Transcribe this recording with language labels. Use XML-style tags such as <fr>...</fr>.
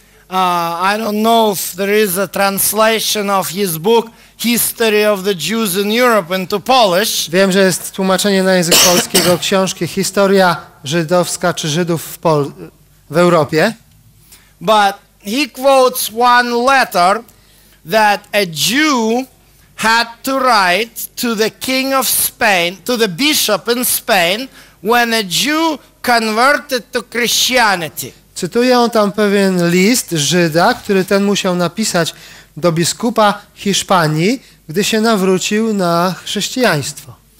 <en>I don't know if there is a translation of his book, History of the Jews in Europe, into Polish.</en> <pl>Wiem, że jest tłumaczenie na język polski jego książki Historia Żydowska czy Żydów w Europie.</pl> <en>But he quotes one letter that a Jew had to write to the king of Spain, to the bishop in Spain, when a Jew converted to Christianity.</en> <pl>Cytuję tam pewien list Żyda, który ten musiał napisać do biskupa Hiszpanii, gdy się nawrócił na chrześcijaństwo.</pl>